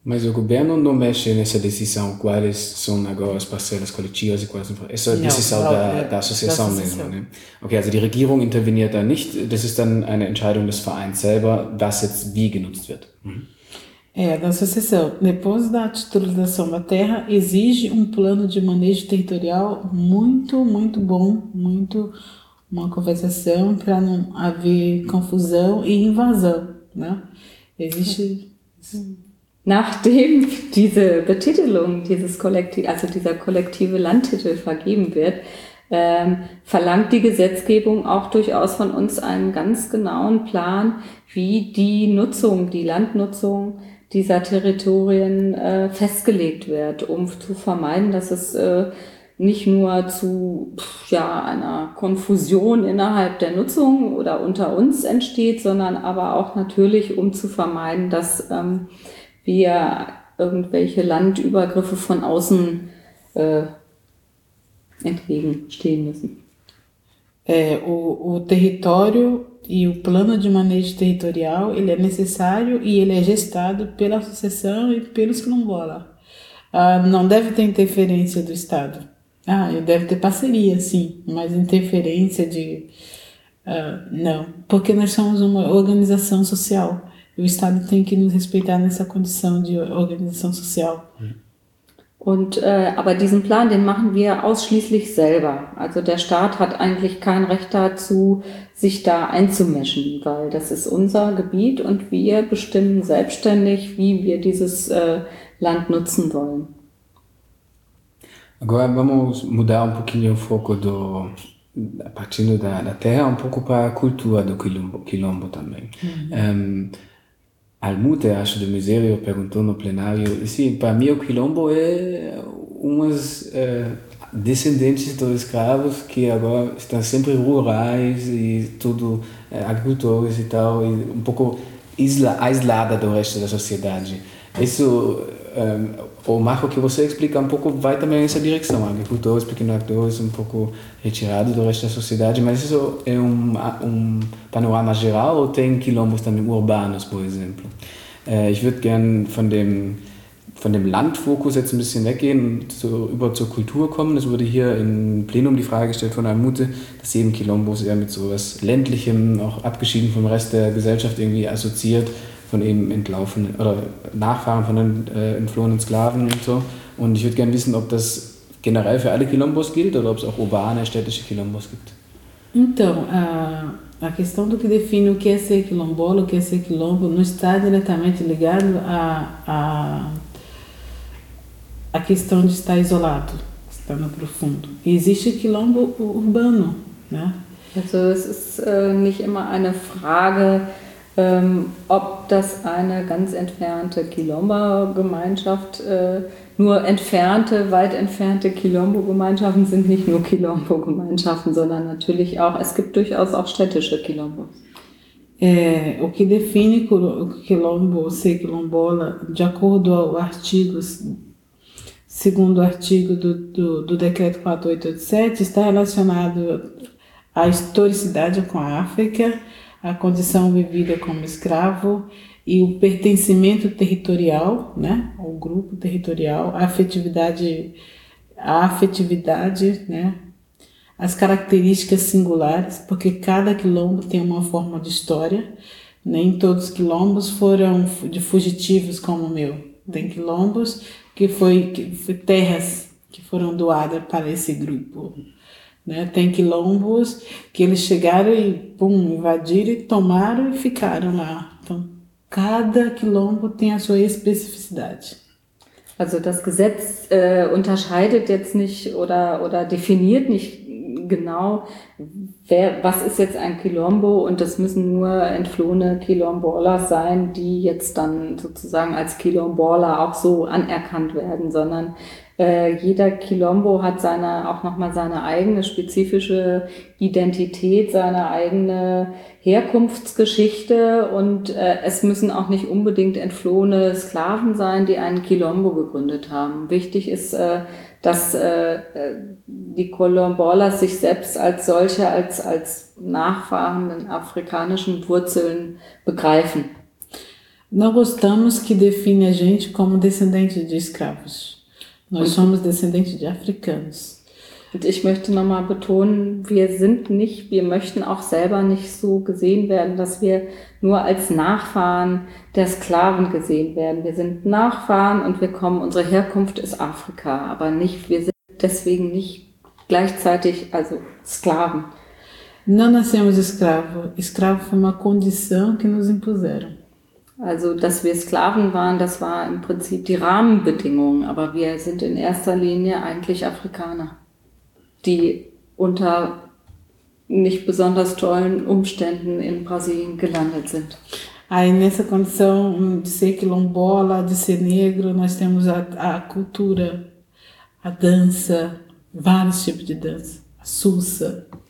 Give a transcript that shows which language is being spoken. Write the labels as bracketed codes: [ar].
[pt] Mas o governo não mexe nessa decisão, quais são agora as parcelas coletivas e quais não. Essa é a decisão da associação mesmo, né? [de] Ok, also die Regierung interveniert da nicht, das ist dann eine Entscheidung des Vereins selber, was jetzt wie genutzt wird. [pt] É, da associação. Depois da titularização da terra, exige plano de manejo territorial muito, muito bom, muito uma conversação para não haver confusão e invasão, né? Existe... [de] Nachdem diese Betitelung, dieser kollektive Landtitel vergeben wird, verlangt die Gesetzgebung auch durchaus von uns einen ganz genauen Plan, wie die Nutzung, die Landnutzung dieser Territorien festgelegt wird, um zu vermeiden, dass es nicht nur zu einer Konfusion innerhalb der Nutzung oder unter uns entsteht, sondern aber auch natürlich, um zu vermeiden, dass wir irgendwelche Landübergriffe von außen entgegenstehen müssen. [pt] O território e o plano de manejo territorial, ele é necessário e ele é gestado pela associação e pelos quilombolas. Não deve ter interferência do Estado. Deve ter parceria, sim, mas interferência de... não, porque nós somos uma organização social. O Estado tem que nos respeitar nessa condição de organização social. [de] Und aber diesen Plan, den machen wir ausschließlich selber. Also der Staat hat eigentlich kein Recht dazu, sich da einzumischen, weil das ist unser Gebiet und wir bestimmen selbstständig, wie wir dieses Land nutzen wollen. [pt] Agora vamos mudar pouquinho o foco do partindo da terra pouco para a cultura do quilombo também. Almute, acho de miséria, perguntou no plenário. Sim, para mim o quilombo é umas descendentes dos escravos que agora estão sempre rurais e tudo, agricultores e tal, e um pouco isolada do resto da sociedade. Isso, o Marco, que você explica um pouco, vai também nessa direção. Agricultores, pequenos atores, um pouco retirados do resto da sociedade. Mas isso é um panorama geral ou tem quilombos também urbanos, por exemplo? [de] Ich würde gerne von dem Landfokus jetzt ein bisschen weggehen und über zur Kultur kommen. Es wurde hier im Plenum die Frage gestellt von Almute, dass eben Quilombos eher mit sowas Ländlichem, auch abgeschieden vom Rest der Gesellschaft irgendwie assoziiert, von eben entlaufenen oder Nachfahren von den entflohenen Sklaven und so. Und ich würde gerne wissen, ob das generell für alle Quilombos gilt oder ob es auch urbane, städtische Quilombos gibt. [pt] Então, a questão do que define o que é ser quilombola, o que é ser quilombo, não está diretamente ligado à questão de estar isolado, estar no profundo. E existe quilombo urbano, né? [de] Also, es ist nicht immer eine Frage ob das eine ganz entfernte Quilombo-Gemeinschaft, nur entfernte, weit entfernte Quilombo-Gemeinschaften sind nicht nur Quilombo-Gemeinschaften, sondern natürlich auch, es gibt durchaus auch städtische Quilombos. [pt] O que define Quilombo ser Quilombola, de acordo ao artigo, segundo o artigo do decreto 4887, está relacionado à historicidade com a África, a condição vivida como escravo e o pertencimento territorial, né, o grupo territorial, a afetividade, né, as características singulares, porque cada quilombo tem uma forma de história, nem todos os quilombos foram de fugitivos como o meu. Tem quilombos que foi terras que foram doadas para esse grupo. Né? Tem quilombos que eles chegaram e pum, invadiram e tomaram e ficaram lá. Então, cada quilombo tem a sua especificidade. [de] Also das Gesetz unterscheidet jetzt nicht oder definiert nicht genau, was ist jetzt ein Quilombo, und das müssen nur entflohene Quilombolas sein, die jetzt dann sozusagen als Quilombola auch so anerkannt werden, sondern jeder Quilombo hat seine eigene spezifische Identität, seine eigene Herkunftsgeschichte, und es müssen auch nicht unbedingt entflohene Sklaven sein, die einen Quilombo gegründet haben. Wichtig ist, dass die Quilombolas sich selbst als solche, als Nachfahren in afrikanischen Wurzeln begreifen. [pt] Não gostamos que define a gente como descendente de escravos. Nós somos descendentes de africanos. [de] Und ich möchte nochmal betonen, wir möchten auch selber nicht so gesehen werden, dass wir nur als Nachfahren der Sklaven gesehen werden. Wir sind Nachfahren und unsere Herkunft ist Afrika, aber nicht, wir sind deswegen nicht gleichzeitig, also Sklaven. [pt] Não nascemos escravo. Escravo foi uma condição que nos impuseram. [de] Also, dass wir Sklaven waren, das war im Prinzip die Rahmenbedingung, aber wir sind in erster Linie eigentlich Afrikaner, die unter nicht besonders tollen Umständen in Brasilien gelandet sind. [pt] Aí nessa condição de ser quilombola, de ser negro, nós temos a cultura, a dança, vários tipos de dança, a sussa.